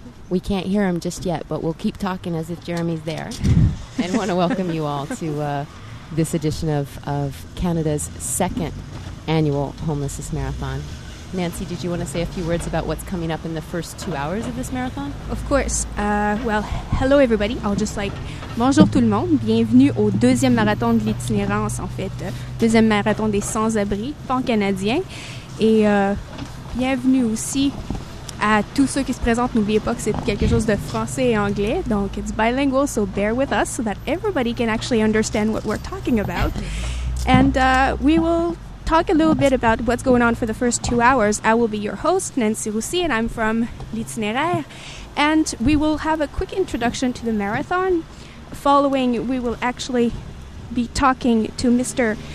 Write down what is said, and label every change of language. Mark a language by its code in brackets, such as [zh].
[en] We can't hear him just yet, but we'll keep talking as if Jeremy's there. And want to welcome you all to this edition of Canada's second annual homelessness marathon. Nancy, did you want to say a few words about what's coming up in the first 2 hours of this marathon? Of course. Well, hello everybody. Bonjour tout le monde. [fr] Bienvenue au deuxième marathon de l'itinérance, en fait. Deuxième marathon des sans-abri, pan-canadien. Et bienvenue aussi à tous ceux qui se présentent. N'oubliez pas que c'est quelque chose de français et anglais. [en] Donc, it's bilingual, so bear with us so that everybody can actually understand what we're talking about. And we will talk a little bit about what's going on for the first 2 hours. I will be your host, Nancy Roussy, and I'm from L'Itinéraire. And we will have a quick introduction to the marathon. Following, we will actually be talking to Mr.